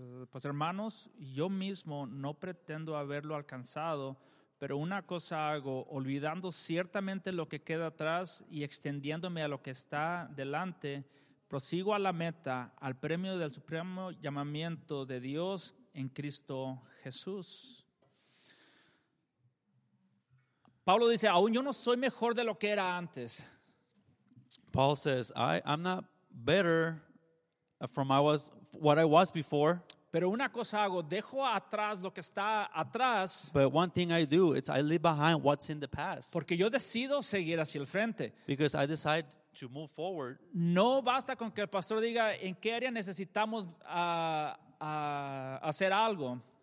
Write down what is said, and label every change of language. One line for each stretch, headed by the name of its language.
Spanish: Pues hermanos, yo mismo no pretendo haberlo alcanzado, pero una cosa hago, olvidando ciertamente lo que queda atrás y extendiéndome a lo que está delante, prosigo a la meta, al premio del supremo llamamiento de Dios en Cristo Jesús. Pablo dice, aún yo no soy mejor de lo que era antes.
English: Paul says, I'm not better from what I was before.
Spanish: Pero una cosa hago, dejo atrás lo que está atrás.
English: But one thing I do, it's I leave behind what's in the past.
Spanish: Porque yo decido seguir hacia el frente.
English: Because I decide to move forward.
Spanish: No basta con que el pastor diga en qué área necesitamos hacer algo.